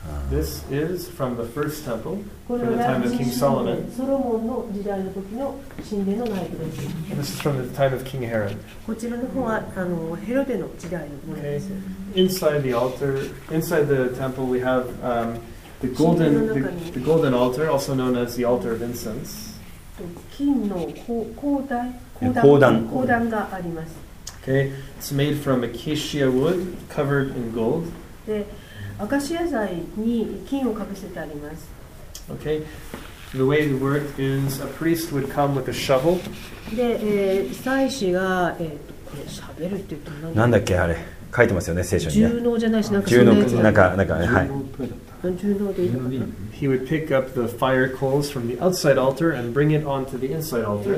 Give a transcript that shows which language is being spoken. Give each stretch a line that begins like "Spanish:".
English: This is from the first temple, from the time of King Solomon.
Japanese: ソロモンの時代の時の神殿の内部です。
English: And this is from the time of King Herod.
Japanese: こちらの方はヘロデの時代のものです。
English: Okay. Inside the altar, inside the temple, we have the golden altar, also known as the altar of incense.
Japanese: 金の香台、香壇があります。
English: Okay. It's made from acacia wood, covered in gold.
Japanese: で、アカシア材に金をかぶせてあります。
English: Okay. The way it worked is a priest would come with a shovel.
Japanese: で、祭司が、これ喋るって言うと何だっけあれ。書いてますよね、聖書に。重能じゃないし、なんかそんなやつ。はい。重能でいいのかな。
English: He would pick up the fire coals from the outside altar and bring it onto the inside altar.